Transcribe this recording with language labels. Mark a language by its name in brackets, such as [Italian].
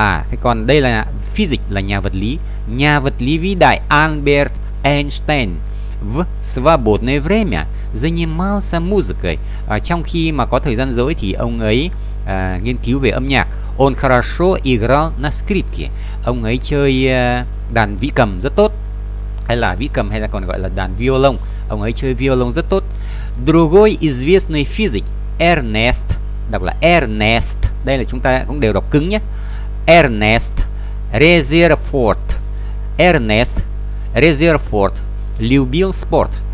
[Vietnamese] Thế còn đây là physic, là nhà vật lý. Nhà vật lý vĩ đại Albert Einstein [Russian] в свободное время занимался музыкой. [Vietnamese] Trong khi mà có thời gian rỗi thì ông ấy nghiên cứu về âm nhạc. [Russian] Он хорошо играл на скрипке. [Vietnamese] Ông ấy chơi đàn vĩ cầm rất tốt. Hay là vĩ cầm, hay là còn gọi là đàn violon. Ông ấy chơi violon rất tốt. [Russian] Другой известный физик Эрнест, [Vietnamese] đọc là Эрнест, đây là chúng ta cũng đều đọc cứng nhé. [Russian] Эрнест Резерфорд. Эрнест Резерфорд любил спорт.